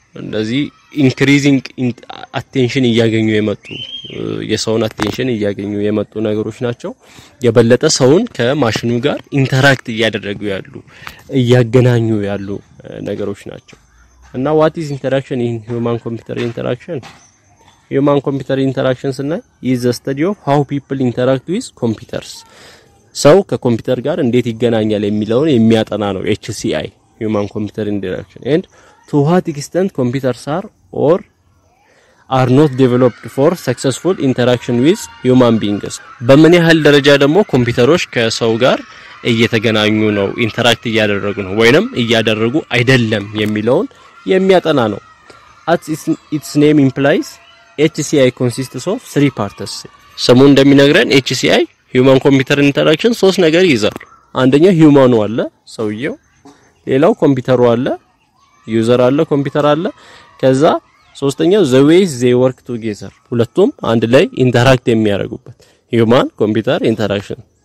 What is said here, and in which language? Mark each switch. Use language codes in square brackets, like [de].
[am] እንደዚህ ኢንክሪዚንግ አቴንሽን እያገኙ የመጡ የሰውን አቴንሽን እያገኙ የመጡ ነገሮች ናቸው። የበለጠ ሰውን ከማሽኑ ጋር ኢንተራክት እያደረጉ ያሉ እያገናኙ ያሉ ነገሮች ናቸው። እና [en] what is interaction in human computer interaction? Human computer interaction ስናይ is a study of how people interact with computers. [am] ሰው ከኮምፒውተር ጋር እንዴት ይገናኛል የሚለውን የሚያጠና ነው HCI human computer interaction. [en] And to what extent computers are or are not developed for successful interaction with human beings. [am] በምን ያህል ደረጃ ደግሞ ኮምፒውተሮች ከሰው ጋር እየተገናኙ ነው ኢንተራክት እያደረጉ ነው ወይንም እያደረጉ አይደለም የሚለውን የሚያጠና ነው። [en] As its name implies, HCI consists of three parts. [am] ስሙ እንደሚነግረን HCI human computer interaction ሶስት ነገር ይዛል። አንደኛ ሂዩማኑ አለ ሰውየው፣ ሌላው ኮምፒውተሩ አለ ዩዘር አለ ኮምፒውተር አለ፣ ከዛ ሶስተኛው [en] the way they work together [am] ሁለቱም አንድ ላይ ኢንተራክት የሚያደርጉበት human computer interaction።